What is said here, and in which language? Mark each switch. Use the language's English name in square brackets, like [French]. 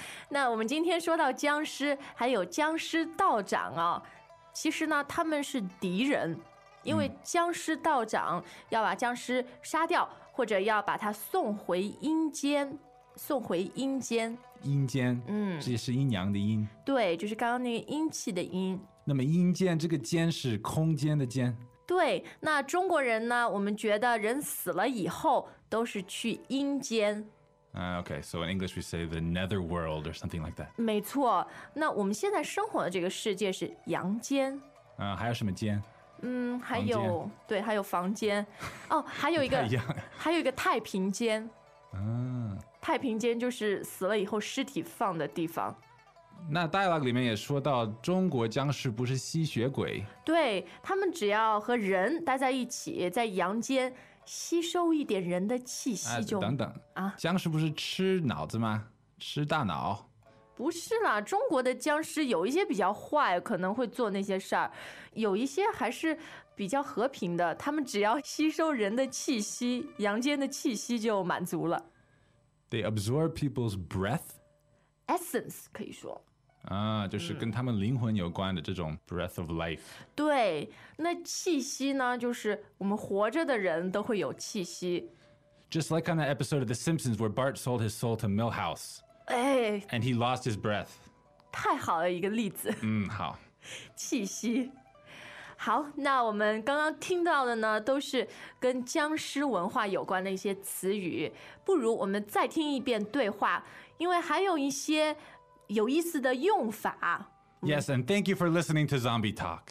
[Chinese] 那我们今天说到僵尸，还有僵尸道长啊，其实呢，他们是敌人，因为僵尸道长要把僵尸杀掉，或者要把他送回阴间，送回阴间。阴间，这是阴阳的阴。对，就是刚刚那个阴气的阴。那么阴间这个间是空间的间。对，那中国人呢，我们觉得人死了以后都是去阴间。 [English] Okay, so in English we say the netherworld or something like that. [Chinese] 没错，那我们现在生活的这个世界是阳间。还有什么间？还有，对，还有房间。哦，还有一个，还有一个太平间。太平间就是死了以后尸体放的地方。那 dialogue 里面也说到中国僵尸不是吸血鬼。对，他们只要和人待在一起，在阳间吸收一点人的气息就、等等、僵尸不是吃脑子吗？吃大脑？不是啦，中国的僵尸有一些比较坏，可能会做那些事儿，有一些还是比较和平的，他们只要吸收人的气息，阳间的气息就满足了。 [English] They absorb people's breath? [Chinese] Essence 可以说就是跟他们灵魂有关的这种 [English] breath of life。 [Chinese] 对，那气息呢，就是我们活着的人都会有气息。 [English] Just like on that episode of The Simpsons where Bart sold his soul to Milhouse. [Chinese] 哎。 [English] And he lost his breath. [Chinese] 太好了一个例子。好。气息。好，那我们刚刚听到的呢，都是跟僵尸文化有关的一些词语。不如我们再听一遍对话，因为还有一些有意思的用法。 [English] Yes, and thank you for listening to Zombie Talk.